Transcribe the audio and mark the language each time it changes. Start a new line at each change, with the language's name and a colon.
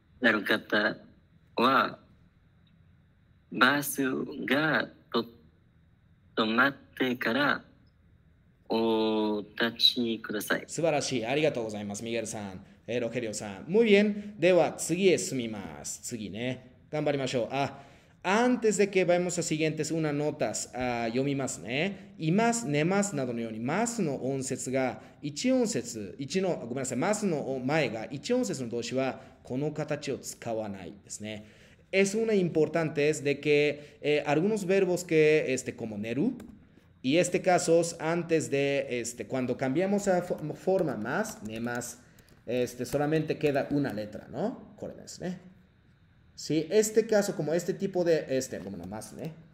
Japanese: なる方は、バスが止まってからお立ちください。素晴らしい。ありがとうございます、ミゲルさん。ロケリオさん。
Spanish: Muy bien.
Japanese: では、次へ進みます。次ね。頑張りましょう。
Spanish: あ、antes de que vayamos a siguientes una notas,
Japanese: 読みますね。います、寝ますなどのように、ますの音節が、1音節、1の、ごめんなさい、ますの前が、1音節の動詞は、この形を使わないですね。
Spanish: Es una importante es de que, algunos verbos que, como 寝る、y este caso, antes de, cuando cambiamos a forma más, 寝ます、solamente queda una letra, ¿no? Córdenes, ¿eh? Sí, este caso, como este tipo de, bueno, más, ¿eh?